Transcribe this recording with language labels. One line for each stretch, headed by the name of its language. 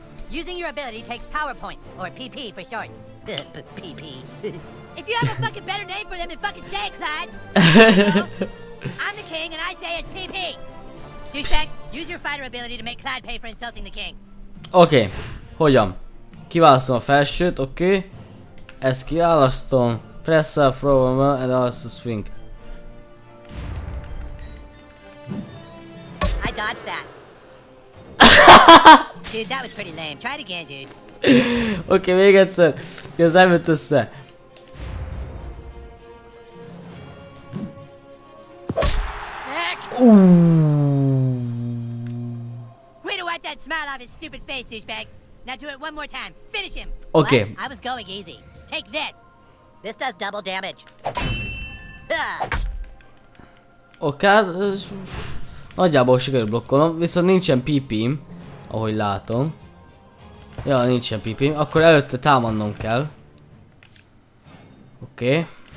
English: Using your ability takes power points, or PP for short. PP. If you have a fucking better name for them, then fucking say it, Clad! So, I'm the king, and I say it's PP! Douchebag, use your fighter ability to make Clad pay for insulting the king.
Hungarian: Okay, hogyan? Kiválasztom a felsőt, okay? Ezt kiválasztom.
English: Press up, throw them out, and also swing. I dodged that. Dude, that was pretty lame. Try it again, dude.
Hungarian: Okay, még egyszer. Ez nem jött össze.
English: Heck! Way to wipe that smile off his stupid face, douchebag. Now do it one more time. Finish him. Okay. What? I was going easy. Take this. This does double damage. Okay.
Hungarian: Nagyjából sikerül blokkolnom, viszont nincsen pipim, ahogy látom. Ja, nincsen pipim, akkor előtte támadnom kell. Oké.
English: Okay.